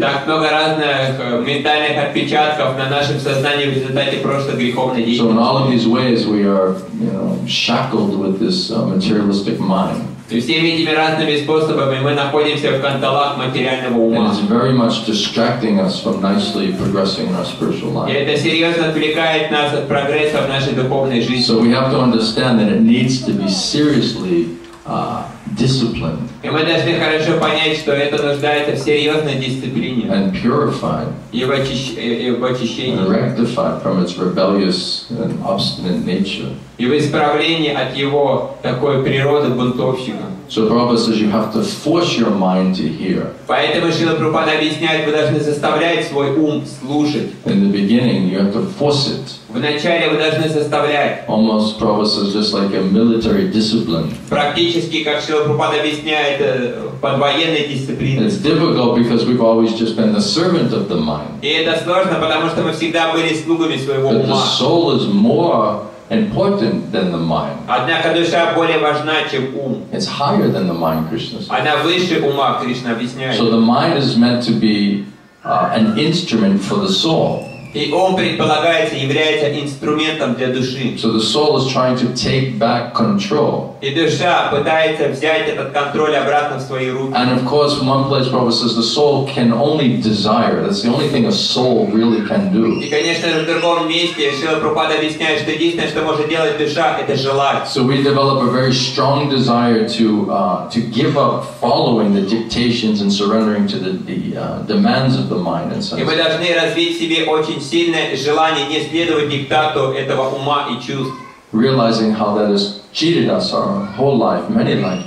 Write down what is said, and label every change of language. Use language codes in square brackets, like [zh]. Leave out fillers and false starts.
[ru] Так много разных ментальных отпечатков на нашем сознании в результате прошлой греховной деятельности. [en] So in all of these ways we are, you know, shackled with this materialistic mind. [ru] И всеми этими разными способами мы находимся в кандалах материального ума. [en] And it's very much distracting us from nicely progressing in our spiritual life. [ru] И это серьезно отвлекает нас от прогресса в нашей духовной жизни. [en] So we have to understand that it needs to be seriously disciplined. [ru] И мы должны хорошо понять, что это нуждается в серьезной дисциплине. [en] And purified. [ru] И в очищении. [en] And rectified from its rebellious and obstinate nature. [ru] И в исправлении от его такой природы бунтовщика. [en] So Prabhupada says you have to force your mind to hear. [ru] Поэтому Шрила Прабхупада объясняет, вы должны заставлять свой ум слушать. [en] In the beginning, you have to force it. [ru] Вначале вы должны заставлять. [en] Almost Prabhupada says just like a military discipline. [ru] Практически, как Шрила Прабхупада объясняет, под военной дисциплиной. [en] It's difficult because we've always just been the servant of the mind. [ru] И это сложно, потому что мы всегда были слугами своего ума. [en] But the soul is more important than the mind. [ru] Однако душа более важна, чем ум. [en] It's higher than the mind, Krishna says. [ru] Она выше ума, Кришна объясняет. [en] So the mind is meant to be an instrument for the soul. [ru] И ум предполагается, является инструментом для души. [en] So the soul is trying to take back control. [ru] И душа пытается взять этот контроль обратно в свои руки. [en] And of course, from one place, Prabhupada says the soul can only desire. That's the only thing a soul really can do. [ru] И конечно же, в другом месте Шрила Прабхупада объясняет, что единственное, что может делать душа, это желать. [en] So we develop a very strong desire to give up following the dictations and surrendering to the demands of the mind and senses. [ru] И мы должны развить в себе очень сильное желание не следовать диктату этого ума и чувств. [en] Realizing how that has cheated us our whole life, many lives.